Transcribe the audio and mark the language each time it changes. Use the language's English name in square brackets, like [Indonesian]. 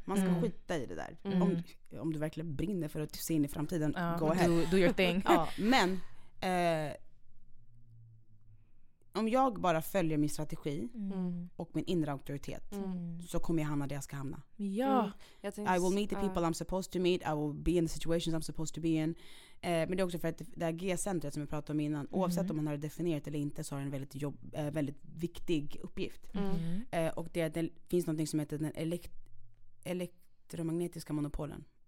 [Swedish] Man ska skita i det där. Mm. Om du verkligen brinner för att se in i framtiden, [English] go ahead. Do your thing. [Swedish] Ja, men om jag bara följer min strategi och min inre auktoritet så kommer jag hamna där jag ska hamna. Ja. Mm. [English] I will meet the people I'm supposed to meet. I will be in the situations I'm supposed to be in. [Swedish] Men det är också för att det här G-centret som jag pratade om innan, oavsett om man har det definierat eller inte, så har det en väldigt, väldigt viktig uppgift. Mm. Och det finns något som heter den elektromagnetiska monopolen.